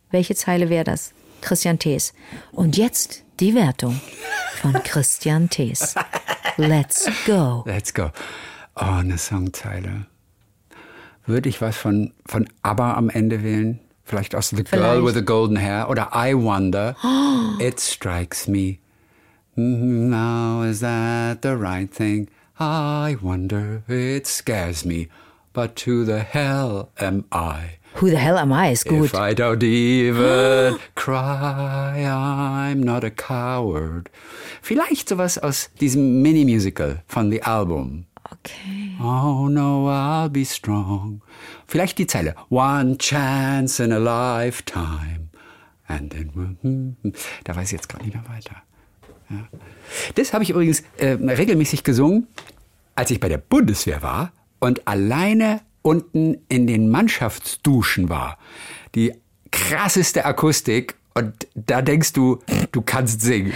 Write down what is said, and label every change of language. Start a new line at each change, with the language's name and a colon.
German: Welche Zeile wäre das? Christian Thees. Und jetzt die Wertung von Christian Thees.
English: Let's go. Let's go.
German: Oh, eine Songzeile. Würde ich was von ABBA am Ende wählen? Vielleicht aus Girl with the Golden Hair oder I Wonder. Oh.
English: It strikes me. Now is that the right thing? I wonder, it scares me, but who the hell am I? Who the hell am I is good. If I don't even cry, I'm not a coward.
German: Vielleicht sowas aus diesem Mini-Musical von The Album. Okay.
English: Oh no, I'll be strong.
German: Vielleicht die Zeile.
English: One chance in a lifetime. And then we'll...
German: Da weiß ich jetzt gar nicht mehr weiter. Ja. Das habe ich übrigens regelmäßig gesungen, als ich bei der Bundeswehr war und alleine unten in den Mannschaftsduschen war. Die krasseste Akustik und da denkst du, du kannst singen.